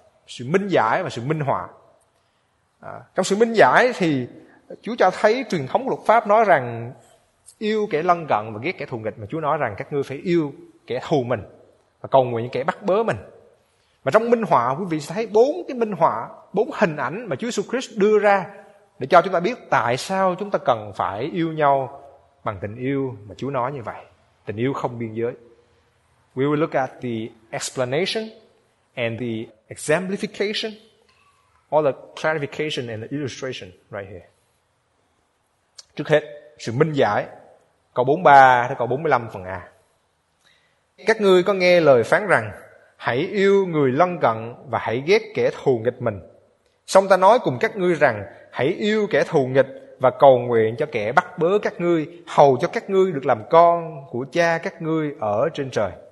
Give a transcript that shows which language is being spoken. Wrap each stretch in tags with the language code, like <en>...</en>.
<vi>Sự minh giải và sự minh họa. Trong sự minh giải thì Chúa cho thấy truyền thống của luật pháp nói rằng yêu kẻ lân cận và ghét kẻ thù nghịch, mà Chúa nói rằng các ngươi phải yêu kẻ thù mình và cầu nguyện kẻ bắt bớ mình. Mà trong minh họa, quý vị sẽ thấy bốn cái minh họa, bốn hình ảnh mà Chúa Jesus Christ đưa ra để cho chúng ta biết tại sao chúng ta cần phải yêu nhau bằng tình yêu mà Chúa nói như vậy, tình yêu không biên giới.</vi> <en>We will look at the explanation and the exemplification, or the clarification and the illustration right here.</en> <vi>Trước hết, sự minh giải, câu 43 đến câu 45 phần A. Các ngươi có nghe lời phán rằng hãy yêu người lân cận và hãy ghét kẻ thù nghịch mình. Song ta nói cùng các ngươi rằng hãy yêu kẻ thù nghịch và cầu nguyện cho kẻ bắt bớ các ngươi, hầu cho các ngươi được làm con của cha các ngươi ở trên trời.</vi>